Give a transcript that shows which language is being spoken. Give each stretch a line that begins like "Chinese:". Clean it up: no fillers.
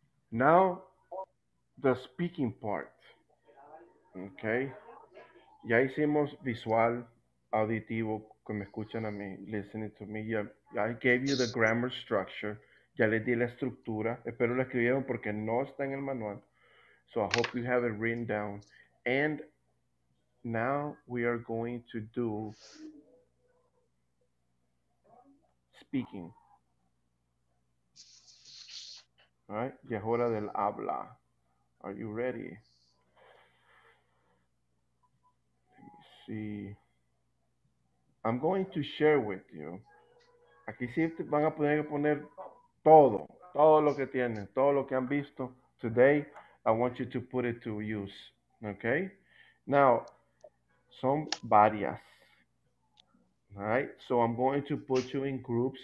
Spanish: Now, the speaking part. Okay, ya hicimos visual, auditivo, que me escuchan a mí, listening to me.
English: Yeah, I gave you the grammar structure. Ya les di la estructura.
Spanish: Espero lo escribieron porque no está en el manual.
English: So I hope you have it written down. And now we are going to do speaking. All right, ya es hora del habla. Are you ready? See, I'm going to share with you.
Spanish: Aquí sí te van a poner todo, todo lo que tienen, todo lo que han visto today.
English: I want you to put it to use. Okay? Now, son varias. All right? So I'm going to put you in groups.